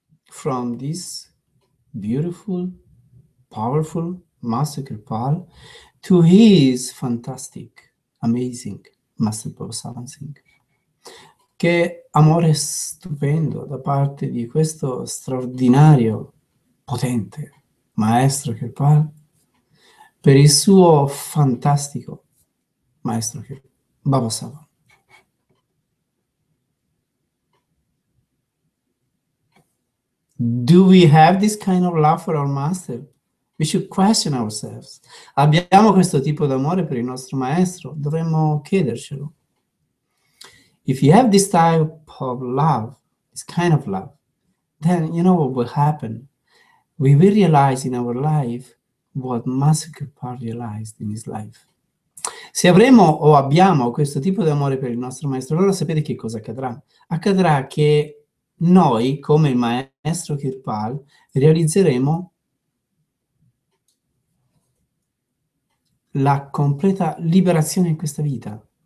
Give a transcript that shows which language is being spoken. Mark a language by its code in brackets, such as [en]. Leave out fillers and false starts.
[en] From this beautiful, powerful, massacre pal to his fantastic, amazing. Masterful Sawan Singh. [it] Che amore stupendo da parte di questo straordinario, potente maestro che parla per il suo fantastico maestro che Baba Sava. [en] Do we have this kind of love for our master? We should question ourselves. [it] Abbiamo questo tipo d'amore per il nostro maestro? Dovremmo chiedercelo. [en] If you have this type of love, this kind of love, then you know what will happen. We will realize in our life what Master Kirpal realized in his life. [it] Se avremo o abbiamo questo tipo d'amore per il nostro maestro, allora sapete che cosa accadrà? Accadrà che noi, come il maestro Kirpal, realizzeremo la completa liberazione in questa vita.